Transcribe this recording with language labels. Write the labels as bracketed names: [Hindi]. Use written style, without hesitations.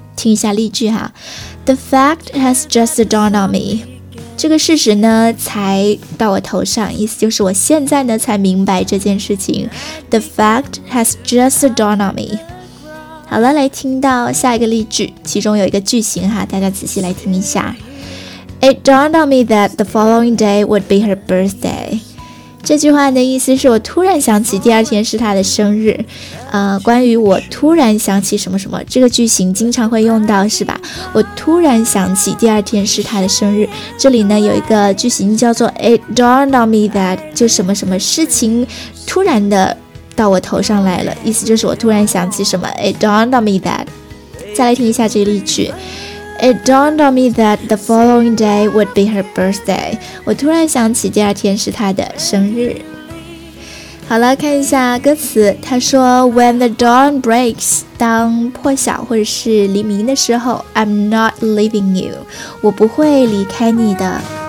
[Chinese] 听一下例句哈。 [English] The fact has just dawned on me. [Chinese] 这个事实呢才到我头上，意思就是我现在呢才明白这件事情。 [English] The fact has just dawned on me。 [Chinese] 好了，来听到下一个例句，其中有一个句型哈，大家仔细来听一下。 [English] It dawned on me that the following day would be her birthday. [Chinese] 这句话的意思是我突然想起第二天是她的生日。关于我突然想起什么什么，这个句型经常会用到是吧？我突然想起第二天是她的生日。这里呢有一个句型叫做 [English] It dawned on me that, [Chinese] 就什么什么事情突然的到我头上来了，意思就是我突然想起什么。 It dawned on me that。再来听一下这个例句。 [English] It dawned on me that the following day would be her birthday。 [Chinese] 我突然想起第二天是她的生日。好了，看一下歌词，他说 [English] When the dawn breaks, [Chinese] 当破晓或者是黎明的时候， [English] I'm not leaving you, [Chinese] 我不会离开你的。